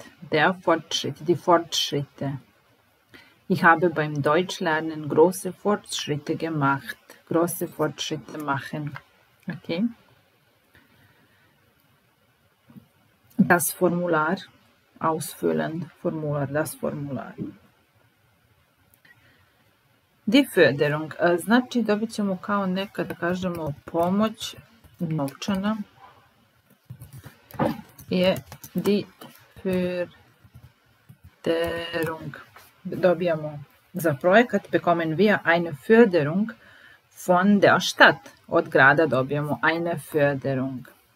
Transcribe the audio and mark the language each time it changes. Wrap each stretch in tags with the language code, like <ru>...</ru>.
<de>Der Fortschritt, die Fortschritte. Ich habe beim Deutschlernen große Fortschritte gemacht. Große Fortschritte machen. Okay. Das Formular ausfüllen. Das Formular. Die Förderung,</de> <bs>znači dobit ćemo kao neka, da kažemo, pomoć novčana je</bs> <de>die Förderung.</de> <bs>Dobijamo za projekat,</bs> <de>bekommen wir eine Förderung von der Stadt.</de> <bs>Od grada dobijamo</bs> <de>eine Förderung.</de>